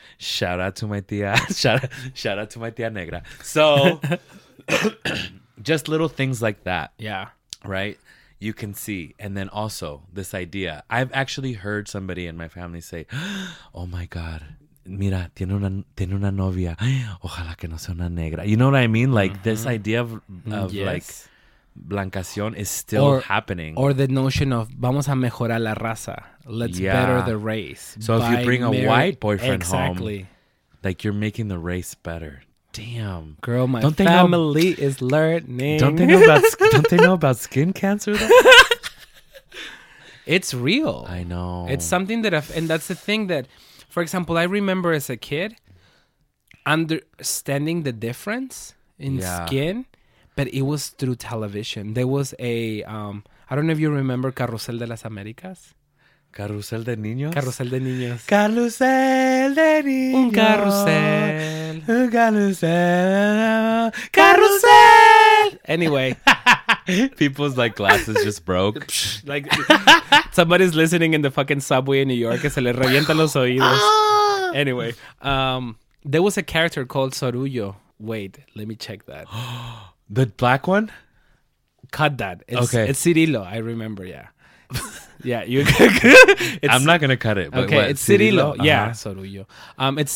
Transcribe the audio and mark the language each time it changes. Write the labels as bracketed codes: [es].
[en] Shout out to my tia. shout out to my tia Negra. So just little things like that. Yeah. Right? You can see. And then also this idea. I've actually heard somebody in my family say, oh my God, [es] mira, tiene una novia. Ojalá que no sea una negra. [en] You know what I mean? Like this idea of yes. like blancación is still happening. Or the notion of [es] vamos a mejorar la raza. [en] Let's better the race. So if you bring a white boyfriend home, like you're making the race better. Damn. Girl, my family is learning. Don't they know about skin cancer though? It's real. I know. It's something that and that's the thing that, for example, I remember as a kid understanding the difference in skin, but it was through television. There was a I don't know if you remember Carrusel de las Americas. Carrusel de niños. Carrusel de niños. Carrusel de niños. [es] Un carrusel. Un carrusel. [en] Carrusel. Anyway. People's like glasses just broke. Like somebody's listening in the fucking subway in New York. [es] Se le revientan los oídos. [en] Anyway. There was a character called Sorullo. Wait, let me check that. The black one? Cut that. It's Cirilo. I remember, yeah. Yeah, you. I'm not gonna cut it. But okay, what? It's Cirilo. Uh-huh. Yeah, Sorullo. It's